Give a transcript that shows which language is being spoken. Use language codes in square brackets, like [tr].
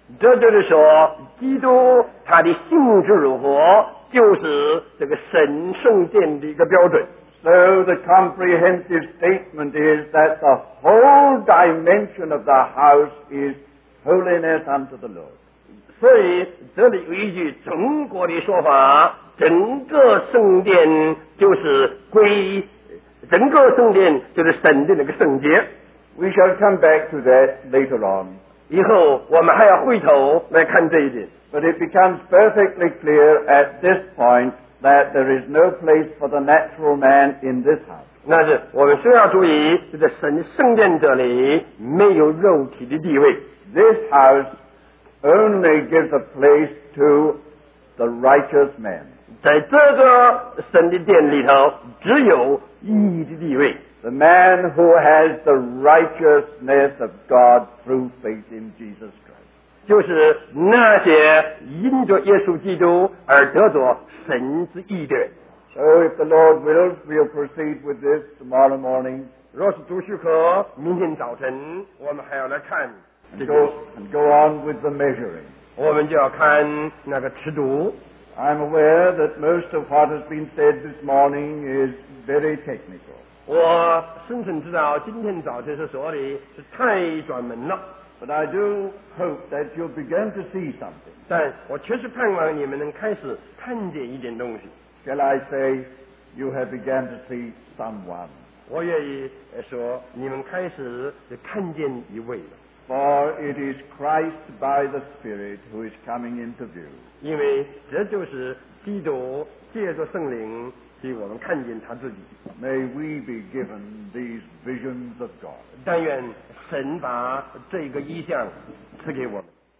[zh] 这就是说，基督他的性质如何，就是这个神圣殿的一个标准。 [en] So the comprehensive statement is that the whole dimension of the house is holiness unto the Lord. [zh] 所以这里有一句中国的说法，整个圣殿就是归，整个圣殿就是神的那个圣洁。 [en] We shall come back to that later on. [zh] 以后我们还要回头来看这一点。 [en] But it becomes perfectly clear at this point that there is no place for the natural man in this house. [zh] 那是我们需要注意，就在神圣殿这里没有肉体的地位。 [en] This house. Only gives a place to the righteous man. [zh] 在这个神的殿里头，只有义的地位。 [en] The man who has the righteousness of God through faith in Jesus Christ. [zh] 就是那些因着耶稣基督而得着神之义的人。 [en] So if the Lord wills, we'll proceed with this tomorrow morning. [zh] 若是主许可，明天早晨我们还要来看。 [en] And go on with the measuring. [zh] 我们就要看那个尺度。 [en] I'm aware that most of what has been said this morning is very technical. [zh] 我深深知道今天早晨所说的是太专门了。 [en] But I do hope that you'll begin to see something. [zh] 但我确实盼望你们能开始看见一点东西。 [en] Shall I say you have begun to see someone? [zh] 我愿意说你们开始看见一位了。 [en] For it is Christ by the Spirit who is coming into view. [zh] 因为这就是基督借着圣灵给我们看见他自己。 [en] May we be given these visions of God. [zh] 但愿神把这个意象赐给我们。